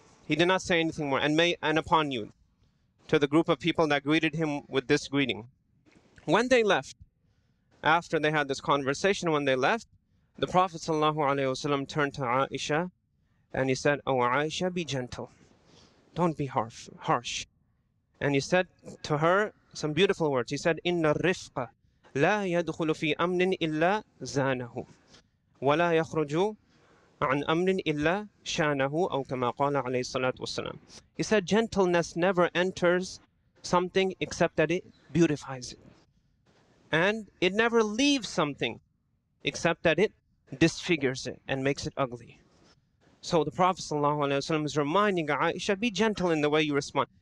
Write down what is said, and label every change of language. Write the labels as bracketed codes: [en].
[en] He did not say anything more, and upon you, to the group of people that greeted him with this greeting. When they left, after they had this conversation, when they left, the Prophet ﷺ turned to Aisha and he said, Oh Aisha, be gentle. Don't be harsh. And he said to her some beautiful words. He said, [ar] إِنَّ الرِّفْقَ لَا يَدْخُلُ فِي أَمْنٍ إِلَّا زَانَهُ وَلَا يَخْرُجُ عَنْ أَمْنٍ إِلَّا شَانَهُ أَوْ كَمَا قَالَ عَلَيْهِ الصَّلَاةُ وَالسَّلَامُ. [en] He said, gentleness never enters something except that it beautifies it. And it never leaves something except that it disfigures it and makes it ugly. So the Prophet ﷺ is reminding Aisha, be gentle in the way you respond.